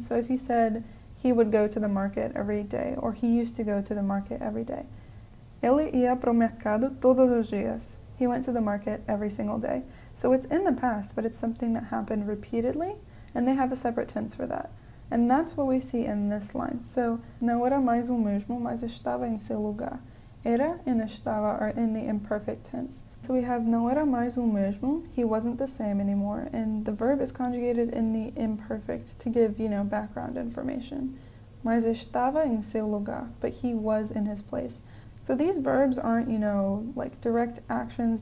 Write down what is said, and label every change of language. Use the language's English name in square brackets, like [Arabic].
[English] So if you said he would go to the market every day or he used to go to the market every day. [Portuguese] Ele ia pro mercado todos os dias. [English] He went to the market every single day. So it's in the past, but it's something that happened repeatedly, and they have a separate tense for that. And that's what we see in this line. [Portuguese] So, não era mais o mesmo, mas estava em seu lugar. [English] Era and estava are in the imperfect tense. So we have [Portuguese] não era mais o mesmo, [English] he wasn't the same anymore, and the verb is conjugated in the imperfect to give, you know, background information. [Portuguese] Mas estava em seu lugar, [English] but he was in his place. So these verbs aren't, you know, like direct actions.